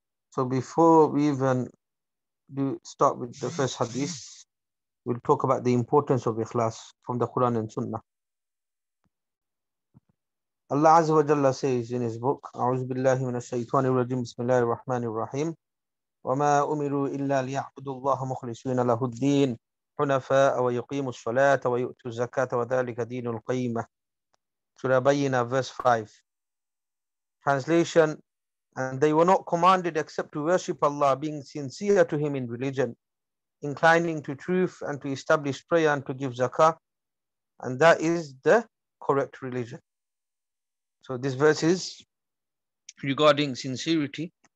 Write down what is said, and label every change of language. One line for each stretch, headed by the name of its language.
English: So before we even do start with the first hadith, we'll talk about the importance of ikhlas from the Quran and Sunnah. Allah Azza wa Jalla says in his book, A'udhu Billahi Minash Shaitani Rajeem, Bismillahir Rahmanir Rahim.
Arabic: وَمَا أُمِرُوا إِلَّا لِيَعْبُدُوا اللَّهَ مُخْلِصِينَ لَهُ الدِّينَ حُنَفَاءَ وَيُقِيمُوا الصَّلَاةَ وَيُؤْتُوا الزَّكَاةَ وَذَلِكَ دِينُ الْقَيِّمَةِ
English: Surah Bayyina, verse 5. Translation, and they were not commanded except to worship Allah, being sincere to Him in religion, inclining to truth and to establish prayer and to give zakah. And that is the correct religion. So this verse is regarding sincerity.